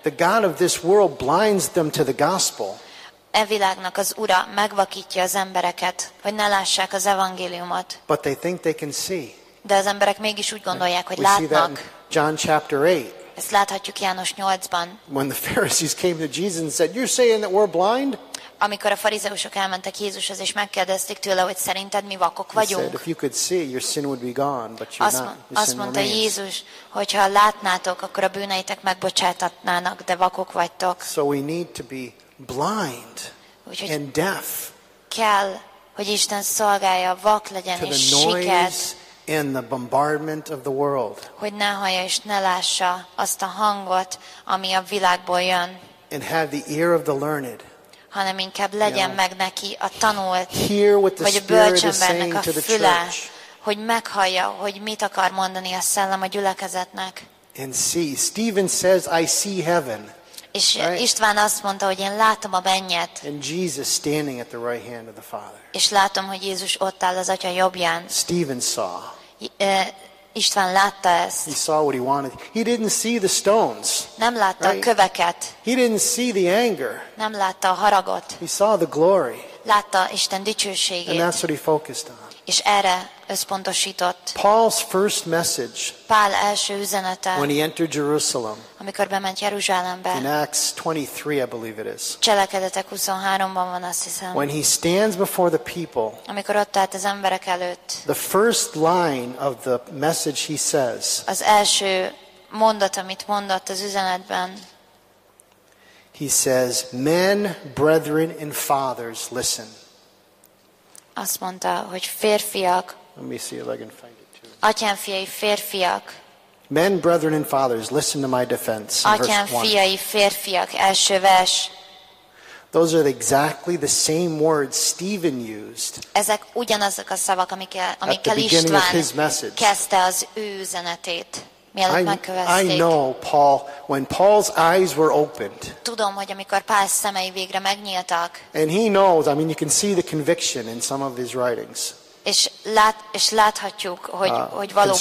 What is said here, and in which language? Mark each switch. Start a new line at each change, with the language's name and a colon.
English: the god of this world blinds them to the gospel.
Hungarian: E világnak az ura megvakítja az embereket, hogy ne lássák az evangéliumot.
English: But they think they can see.
Hungarian: De az emberek mégis úgy gondolják, hogy
English: we
Hungarian: látnak.
English: See that in John chapter 8.
Hungarian: Ezt láthatjuk János 8-ban.
English: When the Pharisees came to Jesus and said, "You're saying that we're blind?"
Hungarian: Amikor a farizeusok elmentek Jézushoz és megkérdezték tőle, hogy szerinted mi vakok vagyunk.
English: He said, "If you could see, your sin would be gone, but you're not."
Hungarian: Azt mondta Jézus, hogyha látnátok, akkor a bűneitek megbocsátatnának, de vakok vagytok.
English: So we need to be blind and deaf.
Hungarian: Kell, hogy Isten szolgálja, vak legyen és siket.
English: In the bombardment of the world.
Hungarian: Hogy ne hallja és ne lássa azt a hangot, ami a világból jön.
English: And have the ear of the learned.
Hungarian: Hanem inkább legyen meg neki a tanult,
English: hear what the Spirit is saying to the church.
Hungarian: Hogy meghallja, hogy mit akar mondani a szellem a gyülekezetnek.
English: And see, Stephen says, "I see heaven."
Hungarian: És István azt mondta, hogy én látom a mennyet.
English: And Jesus standing at the right hand of the Father.
Hungarian: És látom, hogy Jézus ott áll az Atya jobbján.
English: Stephen saw.
Hungarian: István látta ezt.
English: He saw what he wanted. He didn't see the stones.
Hungarian: Nem látta a köveket.
English: He didn't see the anger.
Hungarian: Nem látta a haragot.
English: He saw the glory.
Hungarian: Látta Isten dicsőségét.
English: And that's what he focused on.
Hungarian: És erre összpontosított.
English: Paul's first message.
Hungarian: Pál első üzenete.
English: When he entered Jerusalem.
Hungarian: Amikor bement Jeruzsálembe.
English: In Acts 23, I believe it is.
Hungarian: Cselekedetek 23-ban van, azt hiszem.
English: When he stands before the people.
Hungarian: Amikor ott állt az emberek előtt.
English: The first line of the message he says.
Hungarian: Az első mondat, amit mondott az üzenetben.
English: He says, "Men, brethren, and fathers, listen."
Hungarian: Azt mondta, hogy férfiak.
English: Let me see if I can find it too.
Hungarian: Atyám fiai, férfiak.
English: Men, brethren, and fathers, listen to my defense.
Hungarian: Atyám fiai, férfiak, első vers.
English: Those are exactly the same words Stephen used.
Hungarian: Ezek ugyanazok a szavak, amikkel István kezdte az ő üzenetét.
English: I know Paul when Paul's eyes were opened.
Hungarian: Tudom, hogy amikor Pál szemei végre megnyíltak.
English: And he knows, I mean you can see the conviction in some of his writings.
Hungarian: És láthatjuk, hogy valóban